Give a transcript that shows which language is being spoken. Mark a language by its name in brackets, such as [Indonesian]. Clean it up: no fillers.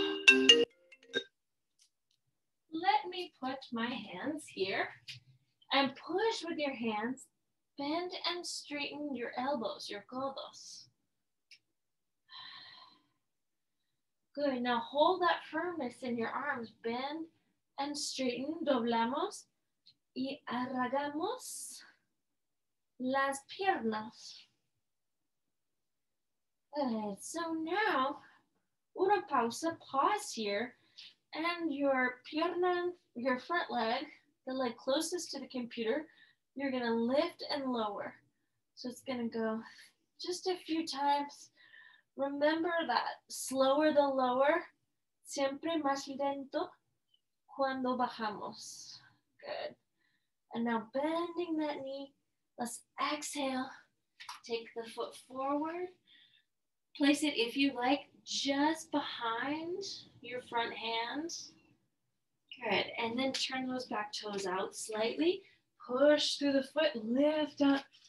[English] Let me put my hands here and push with your hands. Bend and straighten your elbows, your codos. Good, now hold that firmness in your arms. Bend and straighten, [Spanish] doblamos y arrugamos las piernas. [English] Good, so now, [Spanish] una pausa, [English] pause here. And your pierna, your front leg, the leg closest to the computer, you're gonna lift and lower. So it's gonna go just a few times. Remember that, slower the lower, [Spanish] siempre más lento cuando bajamos. [English] Good. And now bending that knee, let's exhale. Take the foot forward. Place it, if you like, just behind your front hand. Good, and then turn those back toes out slightly. Push through the foot, lift up.